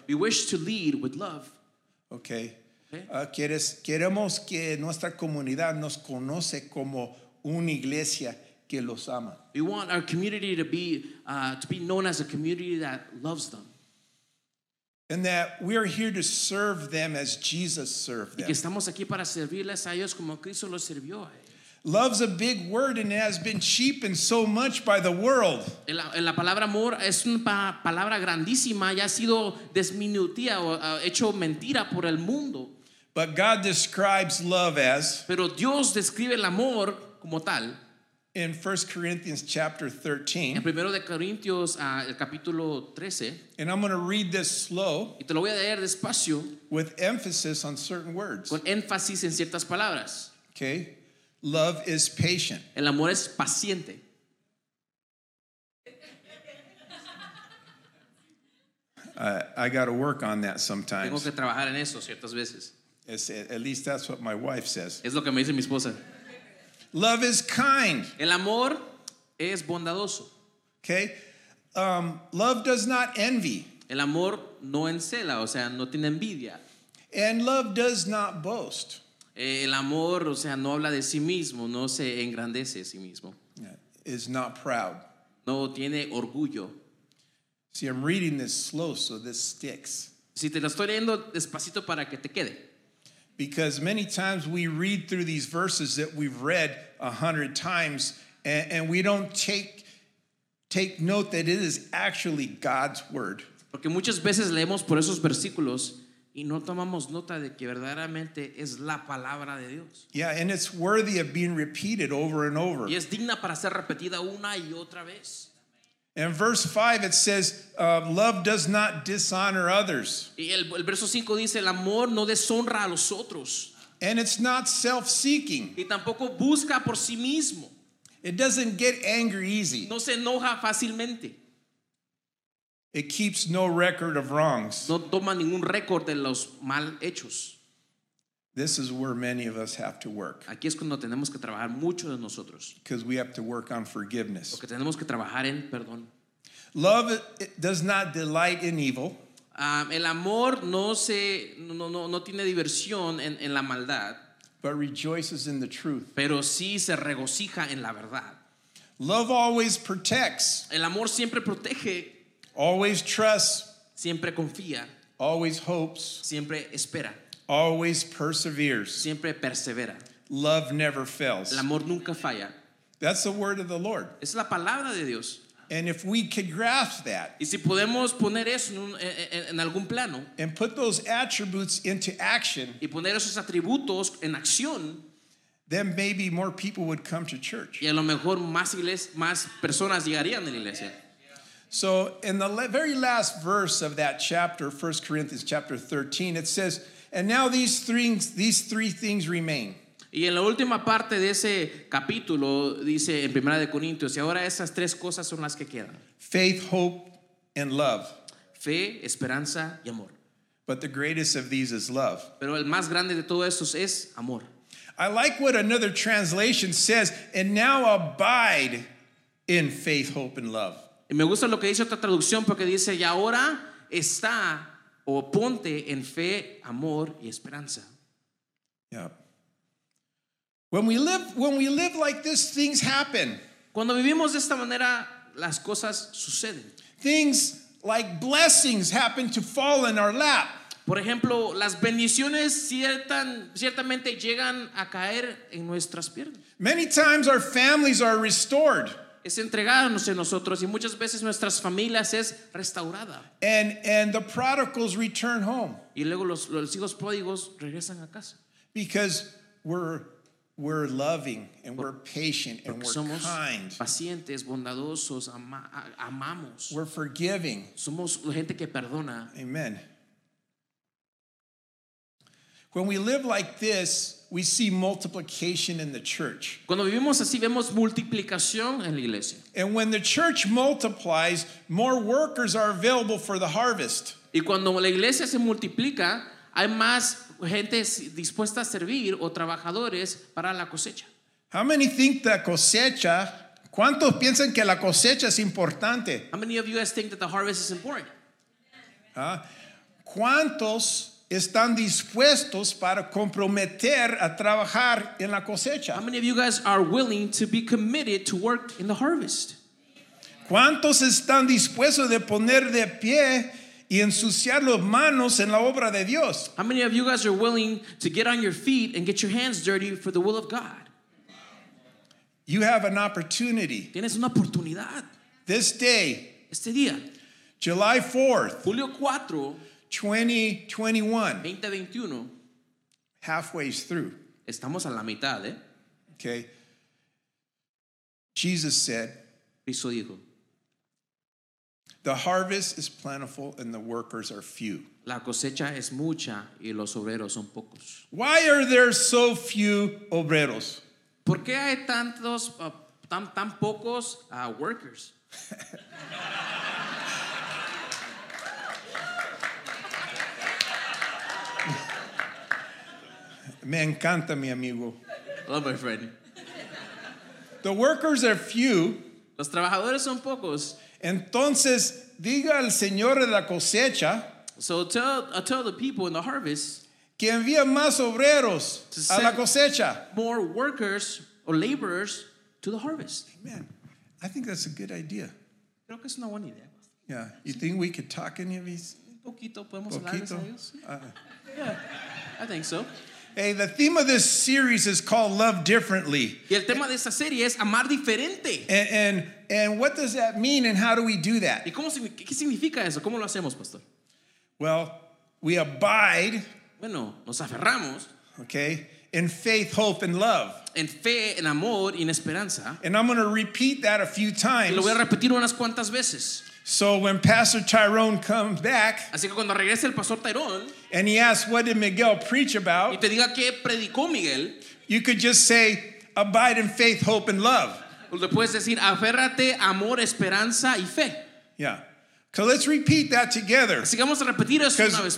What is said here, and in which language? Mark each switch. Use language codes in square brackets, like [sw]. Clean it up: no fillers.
[en] We wish to lead with love. Okay. [es] Queremos que nuestra comunidad nos conoce como una iglesia que los ama. [en] We want our community to be known as a community that loves them. And that we are here to serve them as Jesus served them. [es] Y que estamos aquí para servirles a ellos como Cristo los sirvió. [en] Love's a big word and it has been cheapened so much by the world. [es] La palabra amor es una palabra grandísima y ha sido desminutida o hecho mentira por el mundo. [en] But God describes love as. [es] Pero Dios describe el amor como tal. [en] In 1 Corinthians chapter 13. [es] En primero de Corintios el capítulo 13. [en] And I'm going to read this slow. [es] Y te lo voy a leer despacio. [en] With emphasis on certain words. [es] Con énfasis en ciertas palabras. [en] Okay. Love is patient. [es] El amor es paciente. [en] I got to work on that sometimes. [es] Tengo que trabajar en eso ciertas veces. [en] At least that's what my wife says. [es] Es lo que me dice mi esposa. [en] Love is kind. [es] El amor es bondadoso. [en] Okay. Love does not envy. [es] El amor no encela, o sea, no tiene envidia. [en] And love does not boast. [es] El amor, o sea, no habla de sí mismo, no se engrandece a sí mismo. [en] Yeah. Is not proud. [es] No tiene orgullo. [en] See, I'm reading this slow so this sticks. [es] Si te lo estoy leyendo despacito para que te quede. [en] Because many times we read through these verses that we've read 100 times and we don't take note that it is actually God's word. [es] Porque muchas veces leemos por esos versículos y no tomamos nota de que verdaderamente es la palabra de Dios. [en] Yeah, and it's worthy of being repeated over and over. [es] Y es digna para ser repetida una y otra vez. [en] In verse 5 it says love does not dishonor others. [es] Y el verso 5 dice el amor no deshonra a los otros. [en] And it's not self-seeking. [es] Y tampoco busca por sí mismo. [en] It doesn't get angry easy. [es] No se enoja fácilmente. [en] It keeps no record of wrongs. [es] No toma ningún récord de los mal hechos. [en] This is where many of us have to work. [es] Aquí es cuando tenemos que trabajar mucho de nosotros. [en] Because we have to work on forgiveness. [es] Porque tenemos que trabajar en perdón. [en] Love does not delight in evil. [es] El amor no tiene diversión en la maldad. [en] But rejoices in the truth. [es] Pero sí se regocija en la verdad. [en] Love always protects. [es] El amor siempre protege. [en] Always trusts. [es] Siempre confía. [en] Always hopes. [es] Siempre espera. [en] Always perseveres. [es] Siempre persevera. [en] Love never fails. [es] El amor nunca falla. [en] That's the word of the Lord. [es] Es la palabra de Dios. [en] And if we could grasp that. [es] Y si podemos poner eso en algún plano. [en] And put those attributes into action. [es] Y poner esos atributos en acción. [en] Then maybe more people would come to church. [es] Y a lo mejor más personas llegarían a la iglesia. [en] So in the very last verse of that chapter, 1 Corinthians chapter 13, it says, and now these three things remain. [es] Y en la última parte de ese capítulo dice en Primera de Corintios, y ahora esas tres cosas son las que quedan. [en] Faith, hope, and love. [es] Fe, esperanza y amor. [en] But the greatest of these is love. [es] Pero el más grande de todos estos es amor. [en] I like what another translation says, and now abide in faith, hope, and love. [es] Y me gusta lo que dice otra traducción porque dice, y ahora está o ponte en fe, amor y esperanza. [en] Yeah. When we live like this, things happen. [es] Cuando vivimos de esta manera, las cosas suceden. [en] Things like blessings happen to fall in our lap. [es] Por ejemplo, las bendiciones ciertamente llegan a caer en nuestras piernas. [en] Many times our families are restored. [es] Es entregarnos en nosotros y muchas veces nuestras familias es restaurada. [en] And the prodigals return home. [es] Y luego los hijos pródigos regresan a casa. [en] Because we're loving and we're patient and we're kind. [es] Porque somos pacientes, bondadosos, amamos. [en] We're forgiving. [es] Somos gente que perdona. [en] Amen. When we live like this, we see multiplication in the church. [es] Cuando vivimos así, vemos multiplicación en la iglesia. [en] And when the church multiplies, more workers are available for the harvest. [es] Y cuando la iglesia se multiplica, hay más gente dispuesta a servir o trabajadores para la cosecha. [en] How many think that [es] cosecha ¿Cuántos piensan que la cosecha es importante? [en] How many of you guys think that the harvest is important? [es] ¿Cuántos están dispuestos para comprometer a trabajar en la cosecha? [en] How many of you guys are willing to be committed to work in the harvest? [es] ¿Cuántos están dispuestos de poner de pie y ensuciar las manos en la obra de Dios? [en] How many of you guys are willing to get on your feet and get your hands dirty for the will of God? You have an opportunity. [es] Tienes una oportunidad. [en] This day. [es] Este día. [en] July 4th. [es] Julio 4. [en] 2021. Halfway through. [es] Estamos a la mitad, eh? [en] Okay. Jesus said. [es] Cristo dijo. [en] The harvest is plentiful and the workers are few. [es] La cosecha es mucha y los obreros son pocos. [en] Why are there so few obreros? [es] ¿Por qué hay tantos tan pocos workers? Me encanta mi amigo. [en] Love my friend. The workers are few. [es] Los trabajadores son pocos. Entonces diga al señor de la cosecha, [en] so tell the people in the harvest, [es] que envíe más obreros a la cosecha. [en] More workers or laborers to the harvest. Amen. I think that's a good idea. [es] Creo que es una buena idea. [en] Yeah. You think we could talk any of these? [es] Un poquito podemos hablar de ellos. [en] Yeah. I think so. Hey, the theme of this series is called Love Differently. [es] Y el tema de esta serie es amar diferente. [en] And what does that mean and how do we do that? [es] ¿Y cómo, qué significa eso? ¿Cómo lo hacemos, pastor? [en] Well, we abide. [es] Bueno, nos aferramos. [en] Okay. In faith, hope, and love. [es] En fe, en amor, y en esperanza. [en] And I'm going to repeat that a few times. [es] Y lo voy a repetir unas cuantas veces. [en] So when Pastor Tyrone comes back, [es] así que cuando regrese el Pastor Tyrone, [en] and he asks, what did Miguel preach about? [es] Y te diga qué predicó Miguel, [en] you could just say, abide in faith, hope, and love. [es] Le puedes decir, aférrate, amor, esperanza, y fe. [en] Yeah. So let's repeat that together. [es] Así que vamos a repetir eso una vez más.